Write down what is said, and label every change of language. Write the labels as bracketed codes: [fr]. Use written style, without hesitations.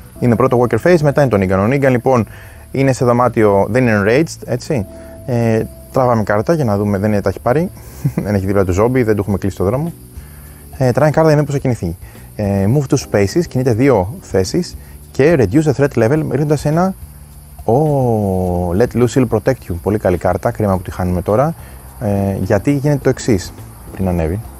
[el] Είναι πρώτο Walker Face, μετά είναι τον Negan. Ο Negan, λοιπόν, είναι σε δωμάτιο, δεν είναι enraged, έτσι. Τράβαμε κάρτα για να δούμε, δεν είναι, τα έχει πάρει. Δεν έχει δίπλα του zombie, δεν του έχουμε κλείσει το δρόμο. Τράβει κάρτα για να δούμε πώς θα κινηθεί. [en] Move to spaces, [el] κινείται 2 θέσεις και [en] reduce the threat level, [el] ρίχνοντας ένα. [en] Oh, let Lucille protect you. [el] Πολύ καλή κάρτα, κρίμα που τη χάνουμε τώρα. Γιατί γίνεται το εξής πριν ανέβει.